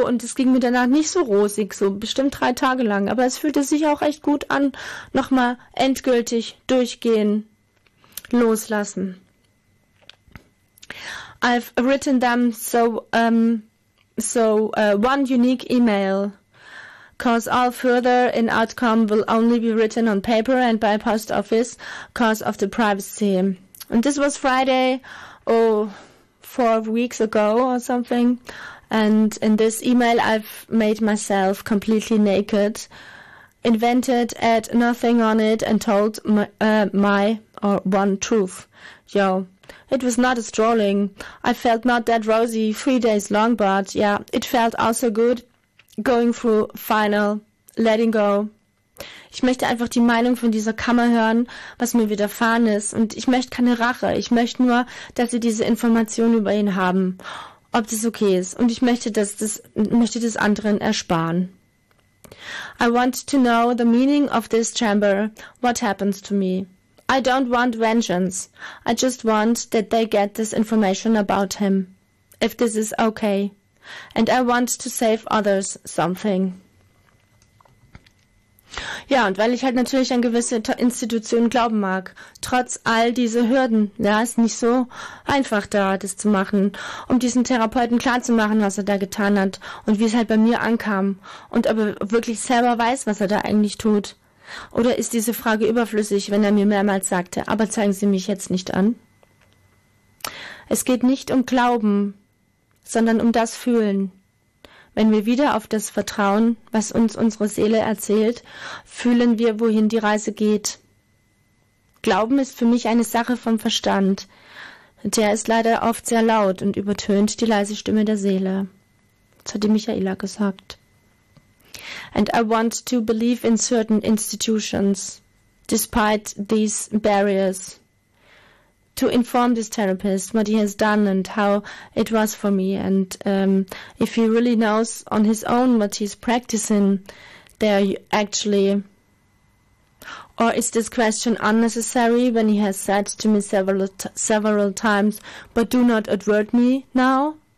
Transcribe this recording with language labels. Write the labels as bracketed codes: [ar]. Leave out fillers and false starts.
[de] Und es ging mir danach nicht so rosig, so bestimmt 3 Tage lang. Aber es fühlte sich auch echt gut an, nochmal endgültig durchgehen, loslassen. [en] I've written them so one unique email, cause all further in outcome will only be written on paper and by post office, cause of the privacy. And this was Friday, 4 weeks ago or something. And in this email, I've made myself completely naked, invented, add nothing on it, and told my one truth. Yo, it was not a strolling. I felt not that rosy 3 days long, but yeah, it felt also good going through final letting go. [de] Ich möchte einfach die Meinung von dieser Kammer hören, was mir widerfahren ist. Und ich möchte keine Rache. Ich möchte nur, dass sie diese Informationen über ihn haben, ob das okay ist. Und ich möchte das anderen ersparen. [en] I want to know the meaning of this chamber. What happens to me? I don't want vengeance. I just want that they get this information about him. If this is okay. And I want to save others something. [de] Ja, und weil ich halt natürlich an gewisse Institutionen glauben mag, trotz all dieser Hürden, ja, ist nicht so einfach da, das zu machen, um diesen Therapeuten klarzumachen, was er da getan hat und wie es halt bei mir ankam und ob er wirklich selber weiß, was er da eigentlich tut. Oder ist diese Frage überflüssig, wenn er mir mehrmals sagte, aber zeigen Sie mich jetzt nicht an? Es geht nicht um Glauben, sondern um das Fühlen. Wenn wir wieder auf das vertrauen, was uns unsere Seele erzählt, fühlen wir, wohin die Reise geht. Glauben ist für mich eine Sache vom Verstand. Der ist leider oft sehr laut und übertönt die leise Stimme der Seele. Das hat die Michaela gesagt. [en] And I want to believe in certain institutions, despite these barriers. To inform this therapist what he has done and how it was for me, and if he really knows on his own what he's practicing there actually, or is this question unnecessary when he has said to me several times, but do not advert me now?